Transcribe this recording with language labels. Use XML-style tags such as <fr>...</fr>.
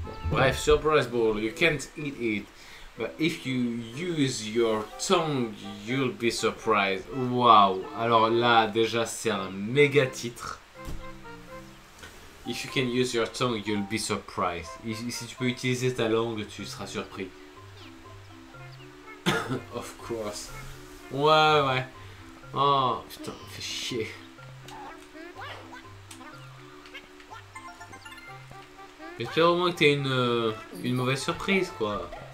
<en>Bref, surprise ball, you can't eat it, but if you use your tongue, you'll be surprised.</en> <fr>Wow, alors là, déjà, c'est un méga titre.</fr> <en>If you can use your tongue, you'll be surprised.</en> <fr>Si tu peux utiliser ta langue, tu seras surpris.</fr> <en>Of course.</en> <fr>Ouais, ouais. Oh, putain, fais chier. J'espère au moins que t'aies une mauvaise surprise, quoi.</fr>